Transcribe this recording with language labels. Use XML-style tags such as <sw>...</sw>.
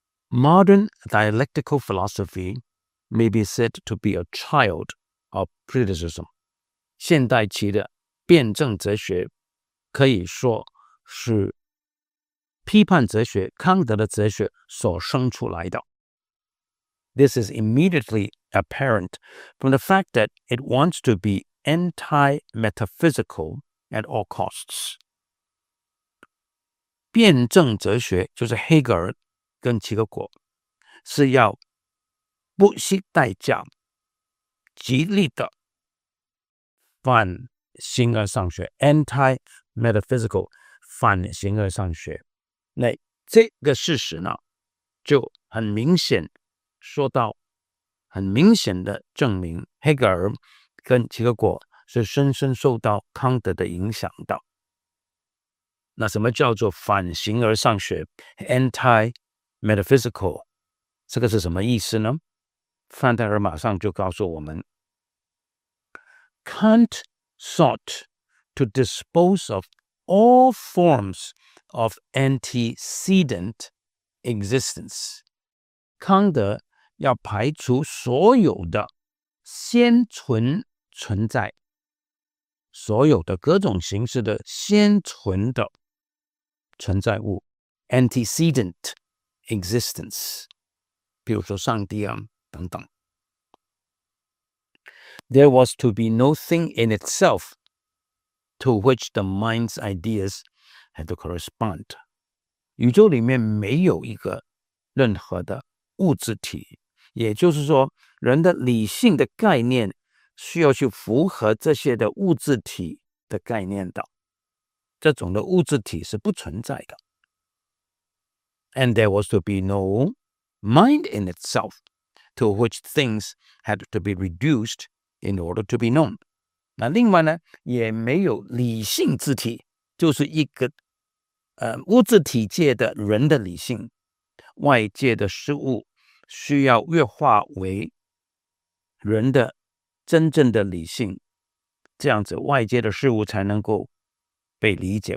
<en>Modern dialectical philosophy may be said to be a child of criticism，</en> <zh>现代期的辩证哲学可以说是批判哲学，康德的哲学所生出来的。</zh> <en>This is immediately apparent from the fact that it wants to be anti-metaphysical at all costs.</en> <zh>辩证哲学就是黑格尔跟齐格果是要不惜代价极力的反形而上学， anti-metaphysical 反形而上学。那这个事实呢就很明显说到，很明显的证明黑格尔跟齐格果是深深受到康德的影响的。那什么叫做反形而上学 ？Anti-metaphysical， 这个是什么意思呢？范特尔马上就告诉我们</zh> <en>：Kant sought to dispose of all forms of antecedent existence。</en> <zh>康德要排除所有的先存存在，所有的各种形式的先存的存在物 antecedent existence， 比如说上帝啊等等。</zh> <en>There was to be no thing in itself to which the mind's ideas had to correspond，</en> <zh>宇宙里面没有一个任何的物质体，也就是说人的理性的概念需要去符合这些的物质体的概念的，这种的物质体是不存在的。</zh> <en>And there was to be no mind in itself to which things had to be reduced in order to be known。</en> <zh>那另外呢也没有理性自体，就是一个物质体界的人的理性，外界的事物需要越化为人的真正的理性，这样子外界的事物才能够被理解。</zh>